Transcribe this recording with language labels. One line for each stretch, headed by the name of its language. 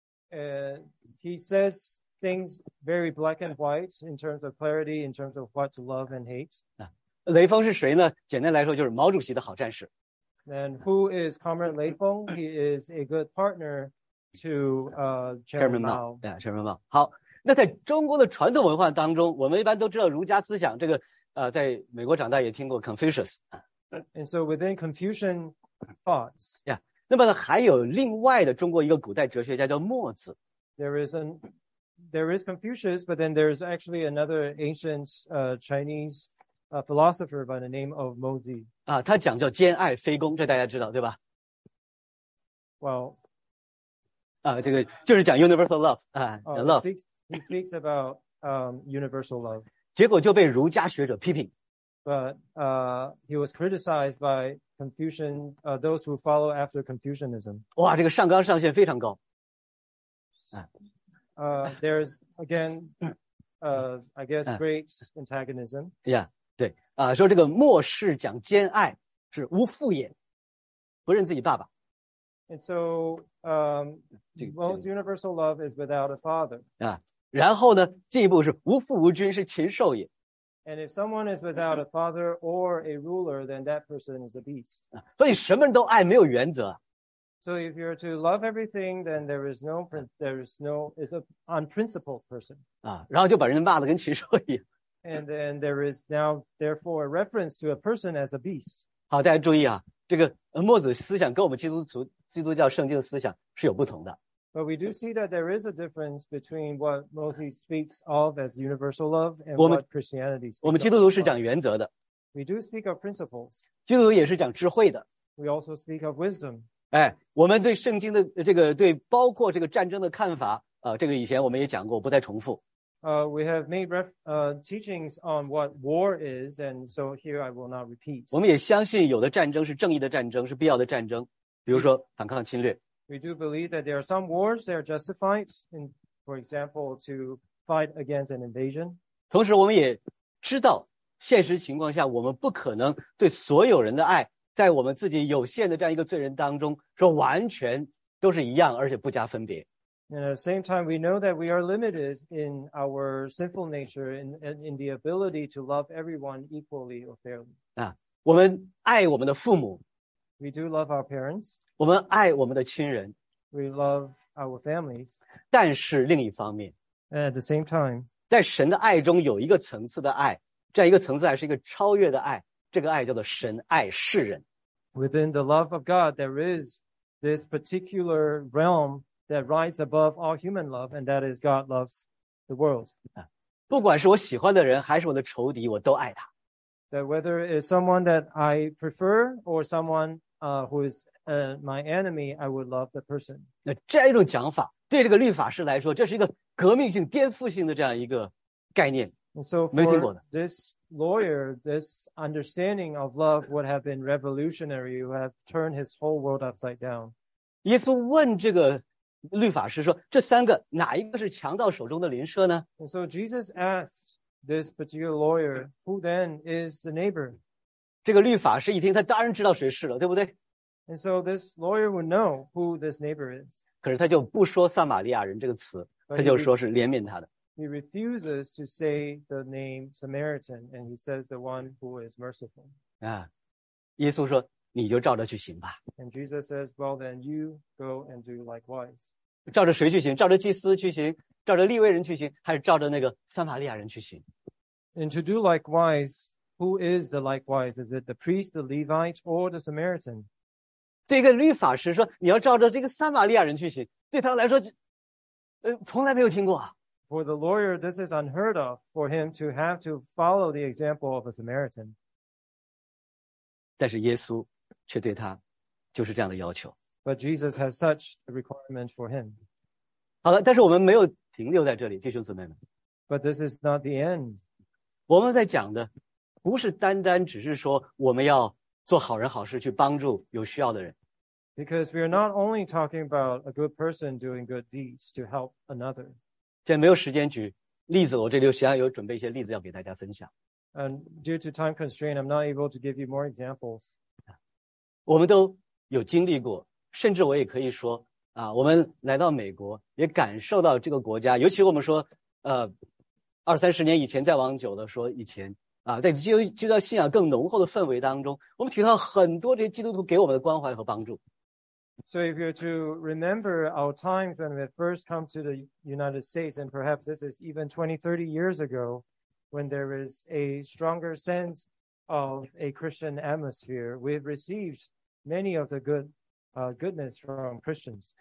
English: He says things very black and white in terms of clarity, in terms of what to love and hate.
Chinese: 雷锋是谁呢? 简单来说就是毛主席的好战士。
English: And who is Comrade 雷锋?He is a good partner to Chairman Mao. Yeah, Chairman Mao.
Chinese: 好,那在中国的传统文化当中, 我们一般都知道儒家思想这个, 在美国长大也听过 Confucius。
English: And so within Confucian thoughts,
Chinese: yeah, 那么呢,还有另外的中国一个古代哲学家叫墨子。
English: There is Confucius, but then there's actually another ancient Chinese a philosopher by the name of Mozi.
Chinese: 他讲叫兼爱非攻, 这大家知道,对吧?
English: Well,
Chinese: 这个就是讲
English: universal love, love. He speaks about universal love.
Chinese: 结果就被儒家学者批评。
English: But, he was criticized by Confucian, those who follow after Confucianism.
Chinese: 哇，这个上纲上线非常高。
English: There's again, I guess great antagonism.
Chinese: Yeah, 对，说这个末世讲兼爱是无父也，不认自己爸爸。
English: And so, most universal love is without a father.
Chinese: 啊，然后呢，进一步是无父无君是禽兽也。
English: And if someone is without a father or a ruler, then that person is a beast.
Chinese: 所以什么人都爱没有原则。
English: So if you're to love everything, then there is no, it's an unprincipled person.
Chinese: 啊，然后就把人骂得跟禽兽一样。
English: And then there is now, therefore, a reference to a person as a beast.
Chinese: 好，大家注意啊，这个墨子思想跟我们基督教圣经的思想是有不同的。
English: But we do see that there is a difference between what Moses speaks of as universal love and what Christianity speaks of.
Chinese: 我们基督徒是讲原则的。
English: We do speak of principles.
Chinese: 基督徒也是讲智慧的。
English: We also speak of wisdom.
Chinese: 哎，我们对圣经的这个对包括这个战争的看法，这个以前我们也讲过，不再重复。
English: We have made teachings on what war is, and so here I will not repeat.
Chinese: 我们也相信有的战争是正义的战争，是必要的战争，比如说反抗侵略。
English: We do believe that there are some wars that are justified, in, for example, to fight against an invasion.
Chinese: 同时我们也知道现实情况下我们不可能对所有人的爱在我们自己有限的这样一个罪人当中说完全都是一样而且不加分别。
English: And at the same time, we know that we are limited in our sinful nature and in the ability to love everyone equally or fairly.
Chinese: 啊，我们爱我们的父母。
English: We do love our parents.
Chinese: 我们爱我们的亲人。
English: We love our families.
Chinese: 但是另一方面。
English: And at the same time.
Chinese: 在神的爱中有一个层次的爱，这样一个层次爱是一个超越的爱，这个爱叫做神爱世人。
English: Within the love of God, there is this particular realm that rides above all human love, and that is God loves the world.
Chinese: 不管是我喜欢的人，还是我的仇敌，我都爱他。
English: That whether it's someone that I prefer or someone who is my enemy, I would love the person.
Chinese: 那这样一种讲法，对这个律法师来说，这是一个革命性、颠覆性的这样一个概念。
English: So for this lawyer, this understanding of love would have been revolutionary. Would have turned his whole world upside down.
Chinese: 耶稣问这个律法师说：“这三个哪一个是强盗手中的邻舍呢？”
English: And so Jesus asked this particular lawyer, "Who then is the neighbor?"
Chinese: 这个律法师一听，他当然知道谁是了，对不对
English: ？And so this lawyer would know who this neighbor is.
Chinese: 可是他就不说撒玛利亚人这个词，他就说是怜悯他的。
English: He refuses to say the name Samaritan, and he says the one who is merciful.
Chinese: 啊，耶稣说，你就照着去行吧。
English: And Jesus says, well then you go and do likewise.
Chinese: 照着谁去行？照着祭司去行？照着利未人去行？还是照着那个撒玛利亚人去行
English: ？And to do likewise, who is the likewise? Is it the priest, the Levite, or the Samaritan?
Chinese: 对一个律法师说，你要照着这个撒玛利亚人去行，对他来说，从来没有听过啊。
English: For the lawyer, this is unheard of for him to have to follow the example of a Samaritan.
Chinese: 但是耶稣却对他就是这样的要求。
English: But Jesus has such a requirement for him.
Chinese: 好了，但是我们没有停留在这里，弟兄姊妹们。
English: But this is not the end.
Chinese: 我们在讲的不是单单只是说我们要做好人好事去帮助有需要的人。
English: Because we are not only talking about a good person doing good deeds to help another.
Chinese: 现在没有时间举例子，我这里实际上有准备一些例子要给大家分享。
English: And due to time constraint, I'm not able to give you more examples.
Chinese: 我们都有经历过，甚至我也可以说啊，我们来到美国也感受到这个国家，尤其我们说二三十年以前，再往久的说以前啊，在基督教信仰更浓厚的氛围当中，我们体到很多这些基督徒给我们的关怀和帮助。
English: So if you're to remember our times when we first come to the United States, and perhaps this is even 20, 30 years ago, when there is a stronger sense of a Christian atmosphere, we've received many of the goodness from Christians.